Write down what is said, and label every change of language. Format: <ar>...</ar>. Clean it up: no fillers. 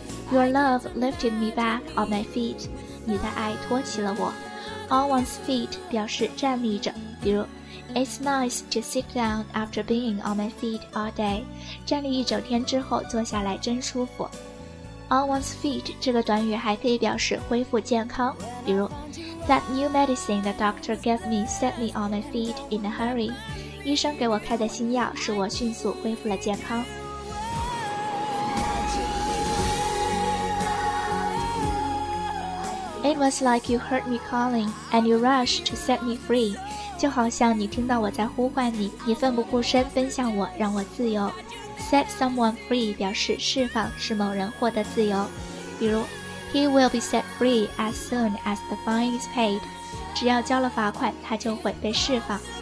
<en>Your love lifted me back on my feet.</en> <zh>你的爱托起了我。</zh> <en>On one's feet</en> <zh>表示站立着，比如</zh> <en>It's nice to sit down after being on my feet all day.</en> <zh>站立一整天之后坐下来真舒服。</zh> <en>On one's feet</en> <zh>这个短语还可以表示恢复健康，比如</zh> <en>That new medicine the doctor gave me set me on my feet in a hurry.</en> <zh>医生给我开的新药使我迅速恢复了健康。</zh> <en>It was like you heard me calling and you rushed to set me free.</en> <zh>就好像你听到我在呼唤你，你奋不顾身奔向我，让我自由。 Set someone free 表示释放，使某人获得自由。比如</zh> <en>,He will be set free as soon as the fine is paid.</en> <zh>只要交了罚款，他就会被释放。</zh>